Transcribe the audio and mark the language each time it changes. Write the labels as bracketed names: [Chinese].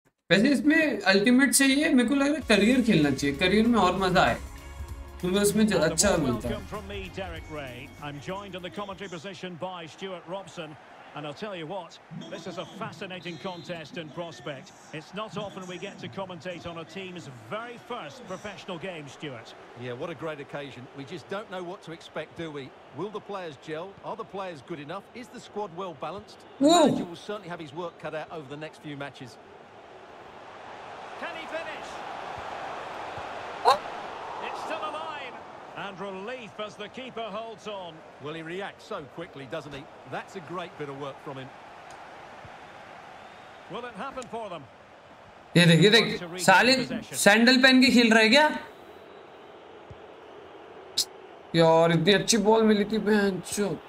[Hindi] वैसे इसमें अल्टीमेट चाहिए, मेरे को लग रहा है करियर खेलना चाहिए, करियर में और मजा आए क्योंकि उसमें अच्छा मिलता है। [English] And I'll tell you what, this is a fascinating contest and prospect. It's not often we get to commentate on a team's very first professional game, Stuart. Yeah, what a great occasion. We just don't know what to expect, do we? Will the players gel? Are the players good enough? Is the squad well balanced? Whoa. The manager will certainly have his work cut out over the next few matches. Can he finish? It's still alive. And relief as the keeper holds on. Well, he reacts so quickly, doesn't he? That's a great bit of work from him. Will it happen for them? [Hindi] ये देख, ये देख, साले sandal पहन के खेल रहा है क्या? यार इतनी अच्छी बॉल मिली थी बेंचो।